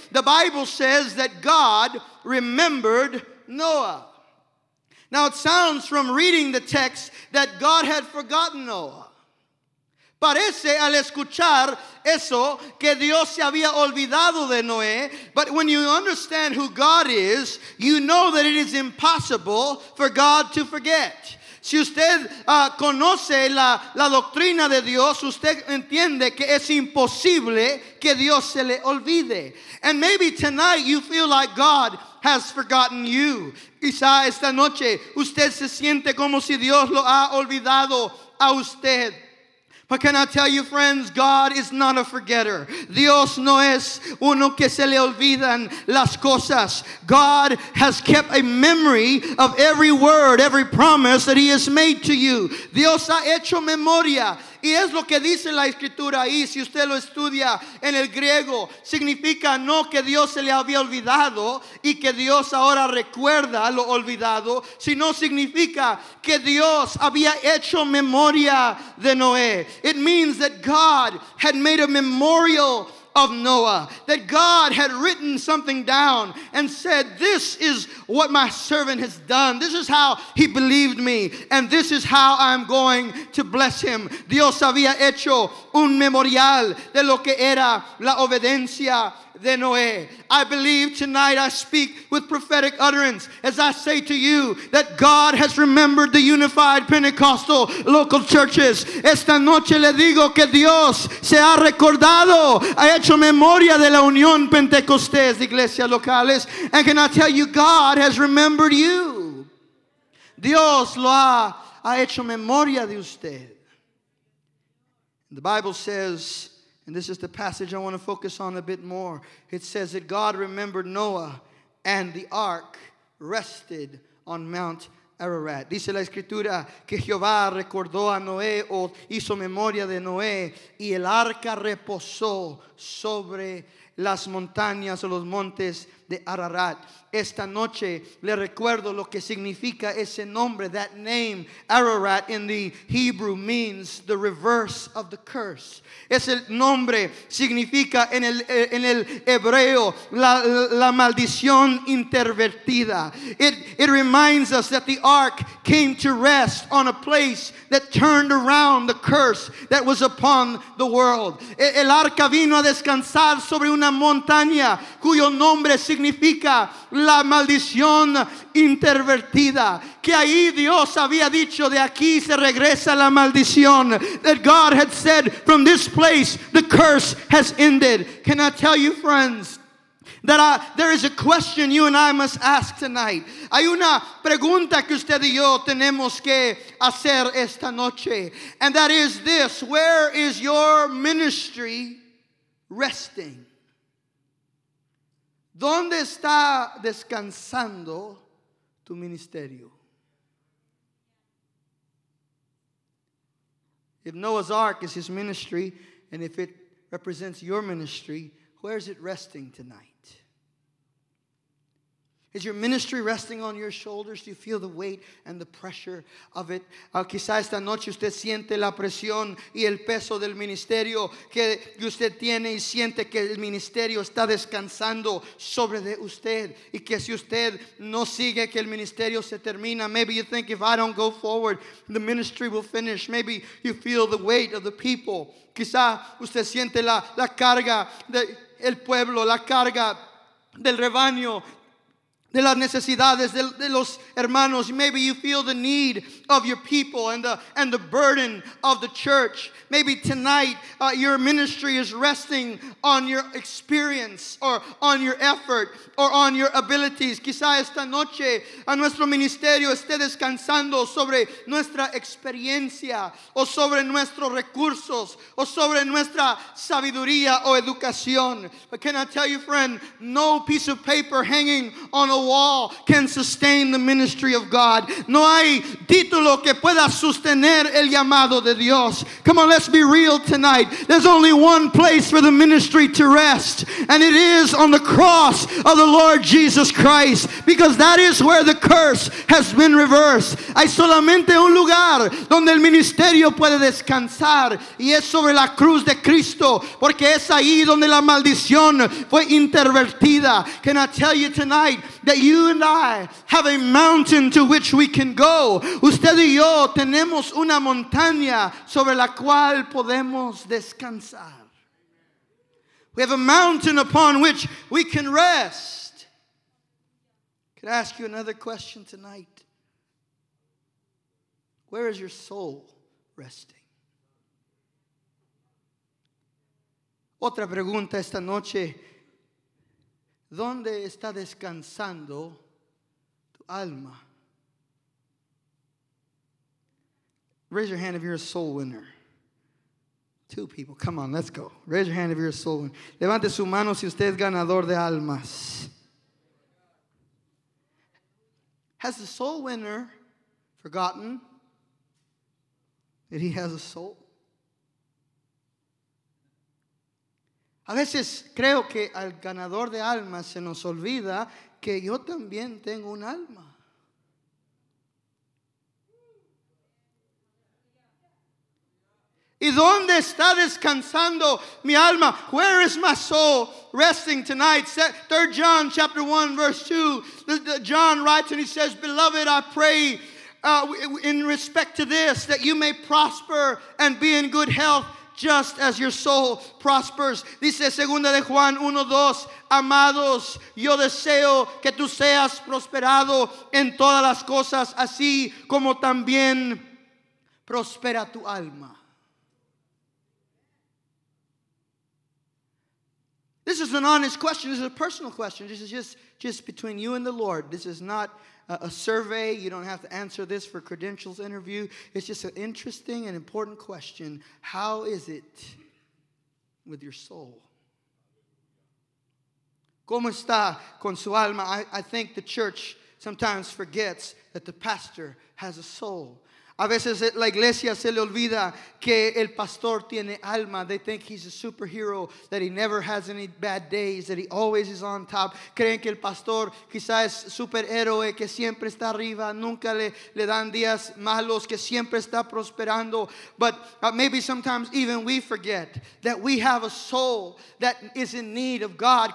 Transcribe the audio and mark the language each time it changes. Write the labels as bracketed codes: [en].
[en] The Bible says that God remembered Noah. Now it sounds from reading the text that God had forgotten Noah. [es] Parece al escuchar eso que Dios se había olvidado de Noé. [en] But when you understand who God is, you know that it is impossible for God to forget. [es] Si usted conoce la doctrina de Dios, usted entiende que es imposible que Dios se le olvide. [en] And maybe tonight you feel like God has forgotten you. [es] Quizá esta noche usted se siente como si Dios lo ha olvidado a usted. [en] But can I tell you, friends, God is not a forgetter. [es] Dios no es uno que se le olvidan las cosas. [en] God has kept a memory of every word, every promise that he has made to you. [es] Dios ha hecho memoria. Y es lo que dice la escritura ahí, si usted lo estudia en el griego, significa no que Dios se le había olvidado y que Dios ahora recuerda lo olvidado, sino significa que Dios había hecho memoria de Noé. [en] It means that God had made a memorial of Noah, that God had written something down and said, this is what my servant has done. This is how he believed me, and this is how I'm going to bless him. [es] Dios había hecho un memorial de lo que era la obediencia de Noé. [en] I believe tonight I speak with prophetic utterance as I say to you that God has remembered the unified Pentecostal local churches. [es] Esta noche le digo que Dios se ha recordado, ha hecho memoria de la unión Pentecostés de iglesias locales. [en] And can I tell you, God has remembered you. [es] Dios lo ha hecho memoria de usted. [en] The Bible says, and this is the passage I want to focus on a bit more. It says that God remembered Noah and the ark rested on Mount Ararat. [es] Dice la escritura que Jehová recordó a Noé o hizo memoria de Noé y el arca reposó sobre las montañas o los montes de Ararat. Esta noche le recuerdo lo que significa ese nombre. [en] That name, Ararat, in the Hebrew means the reverse of the curse. [es] Ese nombre significa en el hebreo la maldición intervertida. [en] It reminds us that the ark came to rest on a place that turned around the curse that was upon the world. [es] El arca vino a descansar sobre una montaña cuyo nombre significa la maldición intervertida. Que ahí Dios había dicho, de aquí se regresa la maldición. [en] That God had said, from this place the curse has ended. Can I tell you, friends, that there is a question you and I must ask tonight. [es] Hay una pregunta que usted y yo tenemos que hacer esta noche. [en] And that is this: where is your ministry resting? [es] ¿Dónde está descansando tu ministerio? [en] If Noah's ark is his ministry, and if it represents your ministry, where is it resting tonight? Is your ministry resting on your shoulders? Do you feel the weight and the pressure of it? [es] Quizá esta noche usted siente la presión y el peso del ministerio que usted tiene y siente que el ministerio está descansando sobre de usted y que si usted no sigue que el ministerio se termina. [en] Maybe you think, if I don't go forward, the ministry will finish. Maybe you feel the weight of the people. [es] Quizá usted siente la carga del pueblo, la carga del rebaño, de las necesidades de los hermanos. [en] Maybe you feel the need of your people and the burden of the church. Maybe tonight your ministry is resting on your experience or on your effort or on your abilities. [es] Quizá esta noche a nuestro ministerio esté descansando sobre nuestra experiencia o sobre nuestros recursos o sobre nuestra sabiduría o educación. [en] But can I tell you, friend, no piece of paper hanging on a wall can sustain the ministry of God. [es] No hay título que pueda sostener el llamado de Dios. [en] Come on, let's be real tonight. There's only one place for the ministry to rest, and it is on the cross of the Lord Jesus Christ, because that is where the curse has been reversed. [es] Hay solamente un lugar donde el ministerio puede descansar, y es sobre la cruz de Cristo, porque es ahí donde la maldición fue intervertida. [en] Can I tell you tonight that you and I have a mountain to which we can go? [es] Usted y yo tenemos una montaña sobre la cual podemos descansar. [en] We have a mountain upon which we can rest. Could I ask you another question tonight? Where is your soul resting? [es] Otra pregunta esta noche. ¿Dónde está descansando tu alma? [en] Raise your hand if you're a soul winner. Two people. Come on, let's go. Raise your hand if you're a soul winner. [es] Levante su mano si usted es ganador de almas. [en] Has the soul winner forgotten that he has a soul? [es] A veces creo que al ganador de almas se nos olvida que yo también tengo un alma. ¿Y dónde está descansando mi alma? [en] Where is my soul resting tonight? 3 John chapter 1 verse 2. John writes and he says, "Beloved, I pray in respect to this, that you may prosper and be in good health, just as your soul prospers." [es] Dice segunda de Juan 1:2, "Amados, yo deseo que tú seas prosperado en todas las cosas, así como también prospera tu alma." [en] This is an honest question. This is a personal question. This is just between you and the Lord. This is not a survey. You don't have to answer this for credentials interview. It's just an interesting and important question. How is it with your soul? [es] ¿Cómo está con su alma? [en] I think the church sometimes forgets that the pastor has a soul. [es] A veces la iglesia se le olvida que el pastor tiene alma. [en] They think he's a superhero, that he never has any bad days, that he always is on top. [es] Creen que el pastor quizás es superhéroe, que siempre está arriba, nunca le dan días malos, que siempre está prosperando. [en] But maybe sometimes even we forget that we have a soul that is in need of God.